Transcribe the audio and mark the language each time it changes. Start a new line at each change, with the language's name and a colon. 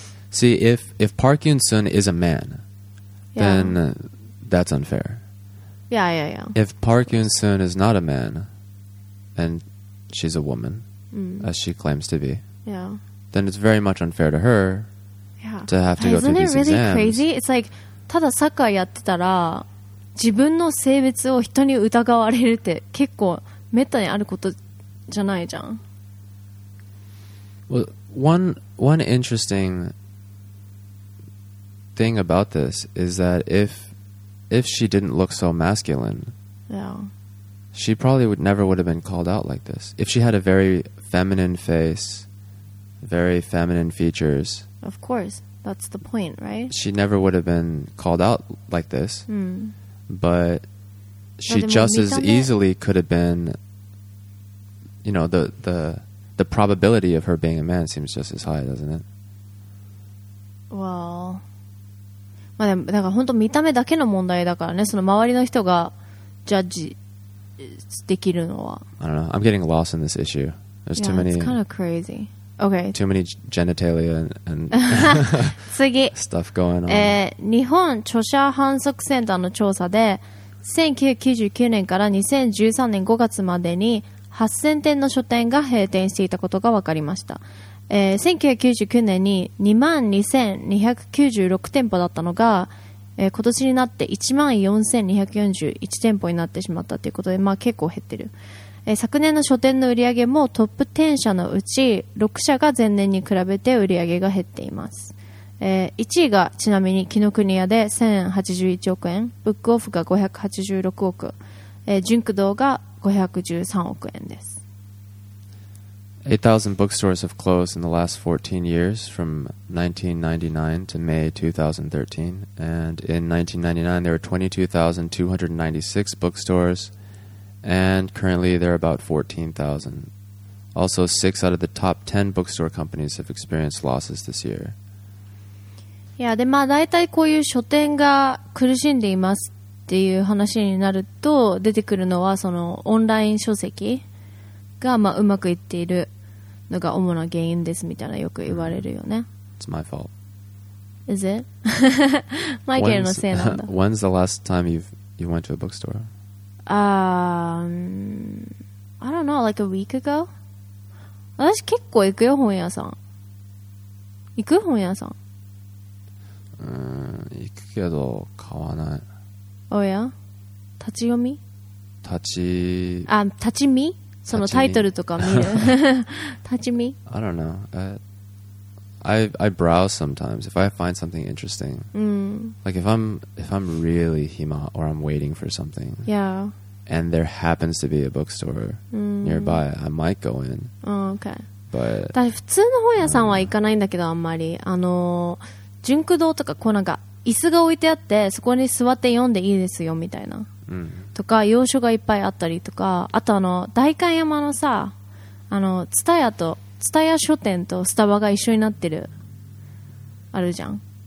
English: See, if Park Yoon-sun is a man, then that's unfair. Yeah. If Park Yoon-sun is not a man, and she's a woman, as she claims to be, then it's very much unfair to her to have to go through these exams. Isn't it really crazy? It's like,
Japanese: ただサッカーやってたら自分の性別を人に疑われるって結構滅多にあることじゃないじゃん。
English: Well, one interesting thing about this is that if she didn't look so masculine, she probably would have been called out like this. If she had a very feminine face, very feminine features. Of course, that's the point, right? She never would have been called out like this. But she just as easily could have been, you know, the probability of her being a man seems just as high, doesn't it? Well,
Japanese: まあでもだから本当見た目だけの問題だからね。その周りの人がジャッジできるのは。
English: I don't know. I'm getting lost in this issue. There's too many. Yeah, it's kind of crazy. Okay. Too many genitalia and
Japanese: 次
English: stuff going on.
Japanese: 日本著者反則センターの調査で、1999年から2013年5月までに8000店の書店が閉店していたことが分かりました。 1999年に 22,296 店舗だったのが、今年になって 14,241 店舗になってしまったということで、まあ結構減ってる。昨年の書店の売り上げもトップ10社のうち6社が前年に比べて売り上げが減っています。 1位がちなみに紀伊国屋で1,081億円、ブックオフが586億、ジュンク堂が513億円です。
English: 8,000 bookstores have closed in the last 14 years from 1999 to May 2013. And in 1999, there were 22,296 bookstores. And currently, there are about 14,000. Also, 6 out of the top 10 bookstore companies have experienced losses this year.
Japanese: Yeah, で、まあ、大体こういう書店が苦しんでいますっていう話になると、出てくるのはそのオンライン書籍がまあうまくいっている。のが主な原因ですみたいなよく言われるよね。
English: It's my fault. Is it?
Japanese: マイケルのせいなんだ。
English: When's the last time you went to a bookstore? I don't know, like a week ago?
Japanese: 私結構行くよ、本屋さん。行く本屋さん。行くけど買わない。おや？立ち読み？立ち見？そのタイトルとか見る。立ち見。
English: I don't know. I browse sometimes if I find something interesting. Like if I'm really hima or I'm waiting for something. Yeah. And there happens to be a bookstore nearby, I might go in. Okay. But
Japanese: 普通の本屋さんは行かないんだけど、あんまりあのジュンク堂とかこうなんか椅子が置いてあってそこに座って読んでいいですよみたいな。とか洋書がいっぱいあったりとか、あとあの代官山のさ、あのツタヤとツタヤ書店とスタバが一緒になってるあるじゃん。